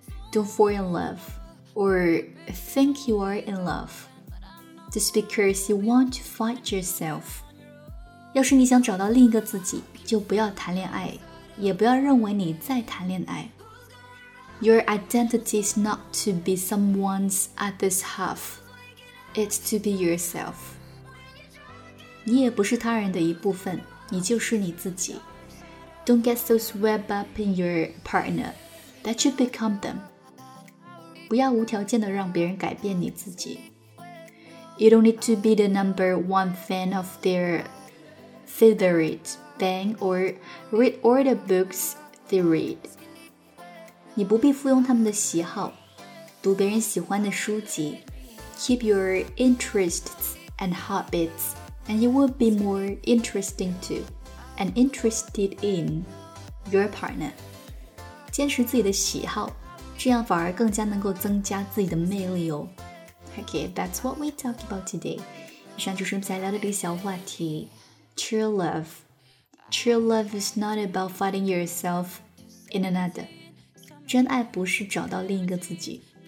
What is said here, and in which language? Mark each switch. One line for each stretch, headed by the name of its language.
English: Don't fall in love or think you are in love just because you want to find yourself。
Chinese: 要是你想找到另一个自己，就不要谈恋爱，也不要认为你在谈恋爱。
English: Your identity is not to be someone's other half, it's to be yourself.
Chinese: 你也不是他人的一部分，你就是你自己。
English: Don't get so swept up in your partner that you become them.
Chinese: 不要无条件地让别人改变你自己。
English: You don't need to be the number one fan of their favorite band or read all the books they read.
Chinese: 你不必附庸他们的喜好，读别人喜欢的书籍。
English: Keep your interests and habits, and you will be more interesting to and interested in your partner.
Chinese: 坚持自己的喜好，这样反而更加能够增加自己的魅力哦。
English: Okay, that's what we talk about today.
Chinese: 以上就是我们今天聊的这个小话题。
English: True love. True love is not about finding yourself in another.
Chinese: 真爱不是找到另一个自己。